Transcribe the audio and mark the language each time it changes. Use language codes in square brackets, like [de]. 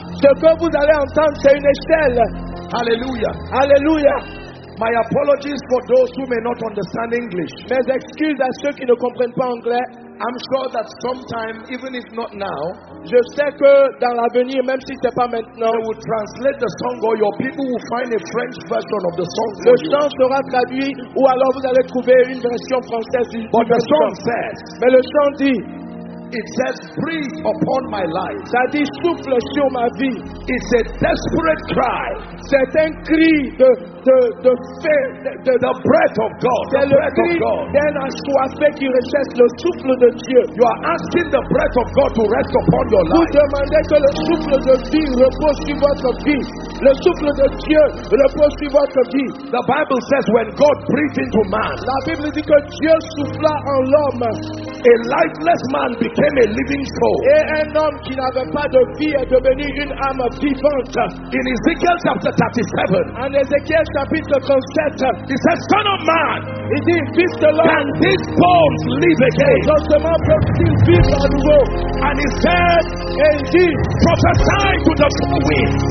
[fr] Ce que vous allez entendre, c'est une échelle. Hallelujah. Hallelujah. [en] My apologies for those who may not understand English. [fr] Mes excuses à ceux qui ne comprennent pas anglais. [en] I'm sure that sometime, even if not now, [fr] je sais que dans l'avenir, même si c'est pas maintenant, [en] they will translate the song, or your people will find a French version of the song. [fr] Le chant sera traduit, ou alors vous allez trouver une version française du chant. [en] But the song says. [fr] Mais le chant dit. [en] It says, "Breathe upon my life." [fr] Ça dit, souffle sur ma vie. [en] It's a desperate cry. [fr] C'est un cri de faim. [en] The breath of God. [fr] C'est le cri d'un assoiffé qui recherche le souffle de Dieu. [en] You are asking the breath of God to rest upon your life. [fr] Vous demandez que le souffle de vie repose sur votre vie. Le souffle de Dieu repose sur votre vie. [en] The Bible says, when God breathed into man, [fr] la Bible dit que Dieu souffla en l'homme, [en] a lifeless man became a living soul. [fr] Et un homme qui n'avait pas de vie est devenu une âme vivante. [en] In Ezekiel chapter 37, [fr] en Ezekiel chapitre 37, [en] he says, "Son of man, [fr] il dit, fils de l'homme, [en] can these bones live again?" [fr] Et justement, peut-il vivre à nouveau? [en] And he said, [fr] et il dit, [en] "Prophesy to the four winds."